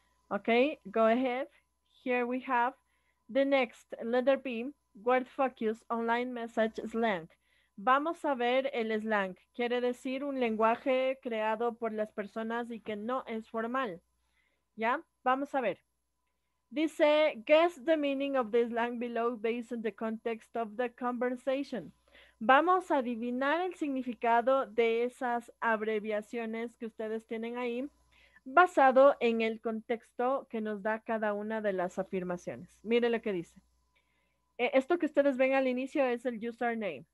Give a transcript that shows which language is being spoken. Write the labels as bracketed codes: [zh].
[en] Okay, go ahead. Here we have the next letter B, word focus, online message slang. [es] Vamos a ver el slang. Quiere decir un lenguaje creado por las personas y que no es formal. ¿Ya? Vamos a ver. [en] Dice, guess the meaning of the slang below based on the context of the conversation. [es] Vamos a adivinar el significado de esas abreviaciones que ustedes tienen ahí, basado en el contexto que nos da cada una de las afirmaciones. Mire lo que dice. Esto que ustedes ven al inicio es el username.